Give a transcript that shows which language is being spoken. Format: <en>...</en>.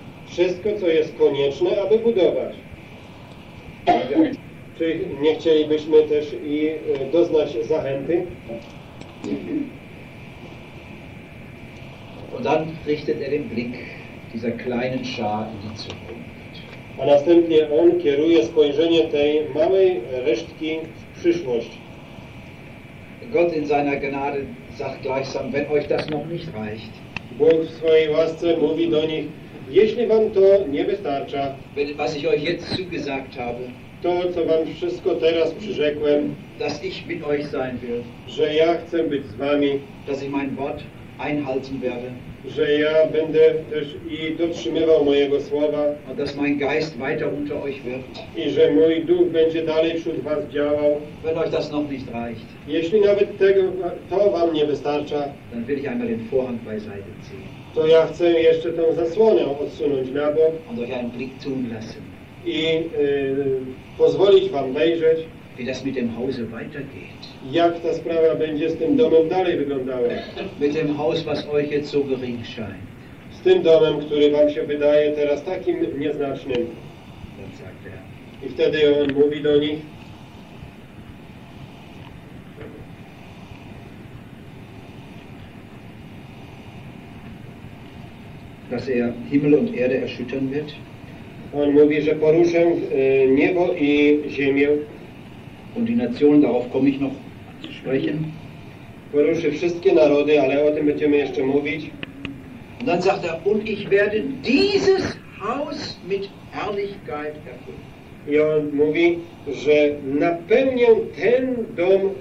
<pl>Wszystko, co jest konieczne, aby budować. Czy nie chcielibyśmy też i doznać zachęty?</pl> <de>Und dann richtet er den Blick dieser kleinen Schar in die Zukunft.</de> <pl>A następnie on kieruje spojrzenie tej małej resztki w przyszłość.</pl> <de>Gott in seiner Gnade sagt gleichsam, wenn euch das noch nicht reicht.</de> <pl>Bóg w swojej łasce mówi do nich, jeśli wam to nie wystarcza,</pl> <de>was ich euch jetzt zugesagt habe,</de> <pl>to, co wam wszystko teraz przyrzekłem,</pl> <de>dass ich mit euch sein will,</de> <pl>że ja chcę być z wami,</pl> <de>dass ich mein Wort einhalten werde,</de> <pl>że ja będę też i dotrzymywał mojego słowa,</pl> <de>und dass mein Geist weiter unter euch wird,</de> <pl>i że mój duch będzie dalej wśród was działał,</pl> <de>wenn euch das noch nicht reicht,</de> <pl>jeśli nawet tego, to wam nie wystarcza,</pl> <de>dann will ich einmal den Vorhang beiseite ziehen,</de> <pl>to ja chcę jeszcze tą zasłonę odsunąć na bok,</pl> <de>und euch einen Blick tun lassen,</de> <pl>i pozwolić wam wejrzeć,</pl> <de>wie das mit dem Hause weitergeht.</de> <pl>Jak ta sprawa będzie z tym domem dalej wyglądała.</pl> <de>Mit dem Haus, was euch jetzt so gering scheint.</de> <pl>Z tym domem, który wam się wydaje teraz takim nieznacznym. I wtedy on mówi do nich.</pl> <de>Vers dass er Himmel und Erde erschüttern wird.</de> <pl>On mówi, że poruszę niebo i ziemię.</pl> <de>Und die Nationen, darauf komme ich noch zu sprechen.</de> <pl>Poruszy wszystkie narody, ale o tym będziemy jeszcze mówić.</pl> <de>Und dann sagt er, und ich werde dieses Haus mit Herrlichkeit erfüllen.</de> <pl>I on mówi, że napełnię ten dom</pl>